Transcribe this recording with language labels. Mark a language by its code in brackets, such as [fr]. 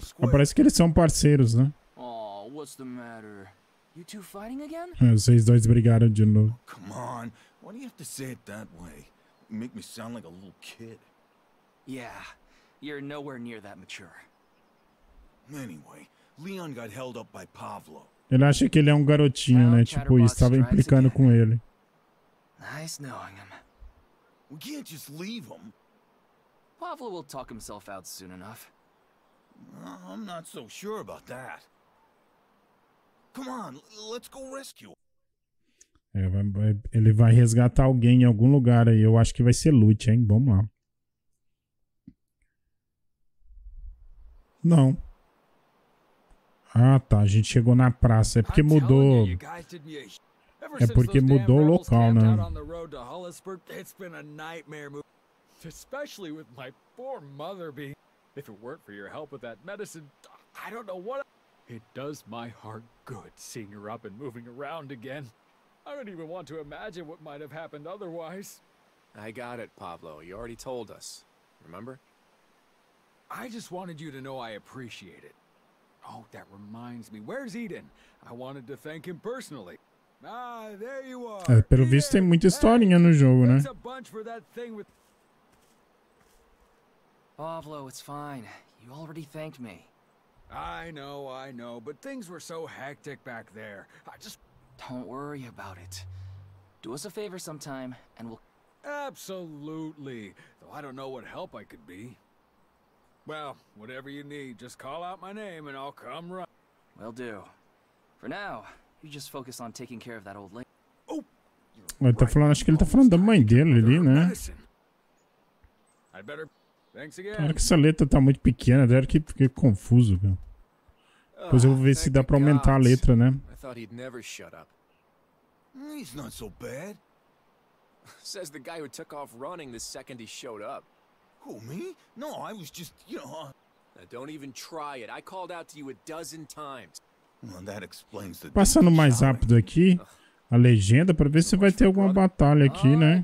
[pt] Parece que eles são parceiros, né? [en] Oh, what's the matter? You two fighting again? [pt] Vocês dois brigaram de novo. [en] Come on. Why do you have to say it that way? You make me sound like a little kid. Yeah. You're nowhere near that mature. Anyway, Leon got held up by Pavlo. [pt] Ele acha que ele é um garotinho, né? Tipo, estava implicando com ele. [en] Nice knowing him. We can't just leave him. Pavlo will talk himself out soon enough. I'm not so sure about that. Come on, let's go rescue. [pt] É, ele vai resgatar alguém em algum lugar aí. Eu acho que vai ser loot, hein? Vamos lá. Não. Ah, tá. A gente chegou na praça. É porque mudou. É porque mudou o local, né? [en] Especially with my poor mother being, if it weren't for your help with that medicine, I don't know what. It does my heart good seeing her up and moving around again. I don't even want to imagine what might have happened otherwise. I got it, Pavlo. You already told us. Remember? I just wanted you to know I appreciate it. Oh, that reminds me. Where's Eden? I wanted to thank him personally. Ah, there you are. [pt] É, pelo Eden. Visto tem muita historinha no jogo, né? [en] A bunch for that thing with Pavlo, it's fine. You already thanked me. I know, but things were so hectic back there. I just... Don't worry about it. Do us a favor sometime, and we'll... Absolutely. Though I don't know what help I could be. Well, whatever you need, just call out my name and I'll come run. Will do. For now, you just focus on taking care of that old lady. Oh! [pt] Ele tá falando, acho que ele tá falando da mãe dele ali, né? [en] I'd better... [pt] Cara, que essa letra tá muito pequena, até que fiquei confuso, cara. Depois eu vou ver se dá pra aumentar a letra, né? [en] I thought he'd never shut up. He's not so bad. Says the guy who took off running the second he showed up. Who, me? No, I was just, you know. Now don't even try it. I called out to you a dozen times. Well, that explains the... [pt] Passando mais rápido aqui, a legenda, pra ver se vai ter alguma batalha aqui, né?